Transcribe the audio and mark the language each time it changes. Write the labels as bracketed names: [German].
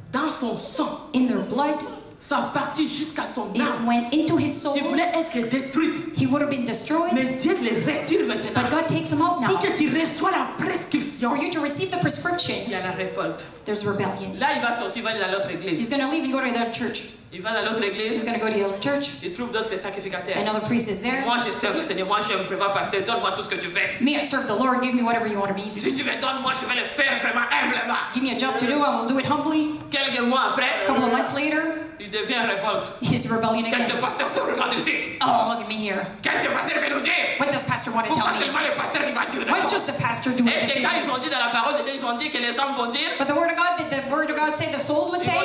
[French] Dans son sang. [English] In their blood. [French] Ça a parti jusqu'à son [English] it [French] âme. [English] It went into his soul. [French] Il voulait être détruit. [English] He would have been destroyed. [French] Mais Dieu le retire maintenant. [English] But God takes him out now. [French] Pour que tu reçois la prescription. [English] For you to receive the prescription. [French] Il y a la révolte. [English] There's rebellion. [French] Là, il va sortir, il va aller à l'autre église. [English] He's going to leave and go to the church. [French] Il va à l'autre église. [English] He's going to go to the other church. [French] Il trouve d'autres sacrificateurs. [English] Another priest is there. [French] Moi, je sers le Seigneur. Moi, je me prépare parce que donne-moi tout ce que tu fais. [English] Me, I serve the Lord. Give me whatever you want to be. [French] Si tu veux, donne-moi, je vais le faire vraiment humblement. [English] Give me a job to do. I will do it humbly. [French] Quelques mois après. [English] A couple of months later. [French] Il devient révolte. [English] He's rebelling again. [French] Qu'est-ce que le pasteur se regarde ici? [English] Oh, look at me here. [French] Qu'est-ce que le pasteur veut nous dire? [English] What does pastor want to tell me? [French] Pourquoi seulement le pasteur qui va dire ça? [English] What's just the pastor doing? [French] Est-ce que quand ils ont dit dans la parole de Dieu, ils ont dit que les âmes vont dire? [English] But the word of God say the souls would say.